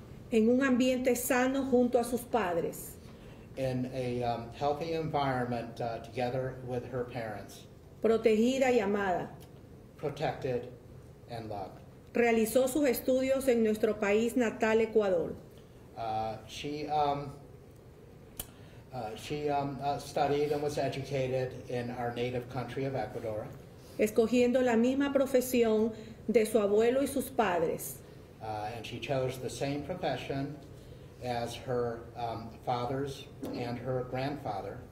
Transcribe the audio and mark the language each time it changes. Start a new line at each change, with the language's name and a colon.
Spanish: En un ambiente sano junto a sus padres.
English: In a healthy environment together with her parents.
Spanish: Protegida y amada.
English: Protected. And loved.
Spanish: Realizó sus estudios en nuestro país natal, Ecuador.
English: She studied and was educated in our native country of Ecuador.
Spanish: Escogiendo la misma profesión de su abuelo y sus padres.
English: And she chose the same profession as her fathers and her grandfather.